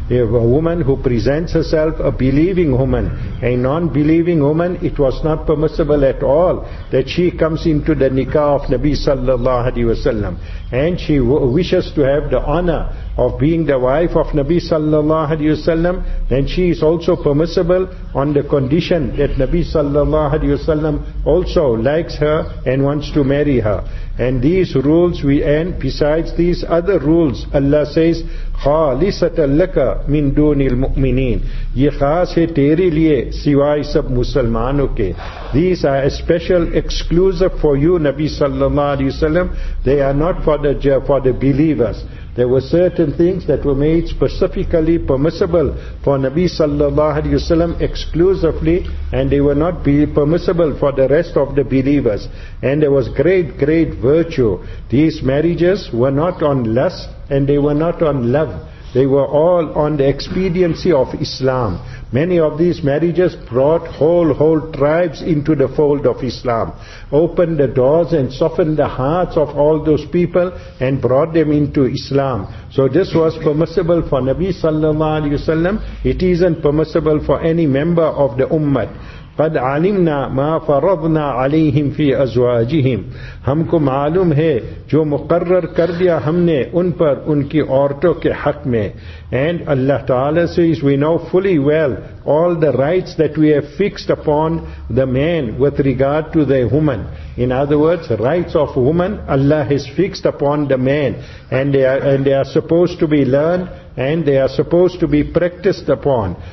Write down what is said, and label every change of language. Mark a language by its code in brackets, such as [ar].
[en] A woman who presents herself, a believing woman, a non-believing woman, it was not permissible at all that she comes into the nikah of Nabi sallallahu alayhi wa sallam. And she wishes to have the honor of being the wife of Nabi sallallahu alayhi wa sallam, then she is also permissible on the condition that Nabi sallallahu alayhi wa sallam also likes her and wants to marry her. And these rules we end, besides these other rules, Allah says, [ar] خَالِصَةً لَكَ مِن دُونِ الْمُؤْمِنِينَ [ur] یہ خاص ہے تیرے لئے سوائے سب مسلمانوں کے. [en] These are special, exclusive for you, Nabi sallallahu alayhi wa sallam. They are not for the believers. There were certain things that were made specifically permissible for Nabi sallallahu alayhi wa sallam exclusively, and they were not permissible for the rest of the believers. And there was great, great virtue. These marriages were not on lust and they were not on love. They were all on the expediency of Islam. Many of these marriages brought whole tribes into the fold of Islam, opened the doors and softened the hearts of all those people and brought them into Islam. So this was permissible for Nabi sallallahu alayhi wa sallam. It isn't permissible for any member of the ummah. [ar] قَدْ عَلِمْنَا مَا فَرَضْنَا عَلَيْهِمْ فِي أَزْوَاجِهِمْ [ur] ہم کو معلوم ہے جو مقرر کر دیا ہم نے ان پر ان کی عورتوں کے حق میں. [en] And Allah Ta'ala says, we know fully well all the rights that we have fixed upon the man with regard to the woman. In other words, rights of woman Allah has fixed upon the man, and they are supposed to be learned and they are supposed to be practiced upon.